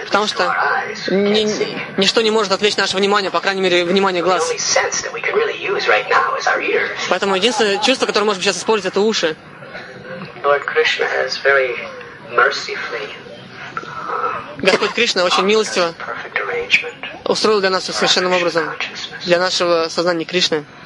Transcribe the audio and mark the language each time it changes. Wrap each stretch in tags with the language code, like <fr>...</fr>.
<ru>Потому что ничто не может отвлечь наше внимание, по крайней мере, внимание глаз.</ru> <en>The only sense that we can really use right now is our ears.</en> <ru>Поэтому единственное чувство, которое мы можем сейчас использовать, — это уши.</ru> <en>Lord Krishna has very mercifully.</en> <ru>Господь Кришна очень милостиво устроил для нас все совершенным образом, для нашего сознания Кришны.</ru>